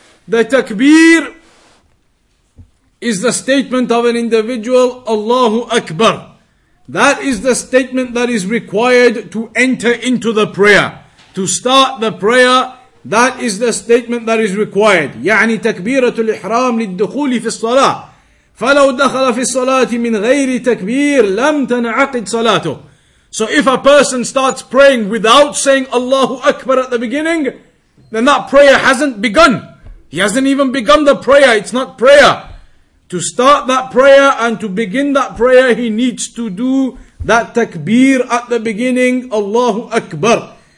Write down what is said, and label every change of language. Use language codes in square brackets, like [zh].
[en] The takbir is the statement of an individual, Allahu Akbar. That is the statement that is required to enter into the prayer. To start the prayer, that is the statement that is required. [ar] يعني تكبيرة الإحرام للدخول في الصلاة. فلو دخل في الصلاة من غير تكبير لم تنعقد صلاته. [en] So if a person starts praying without saying Allahu Akbar at the beginning, then that prayer hasn't begun. He hasn't even begun the prayer. It's not prayer. To start that prayer and to begin that prayer, he needs to do that takbir at the beginning, Allahu Akbar.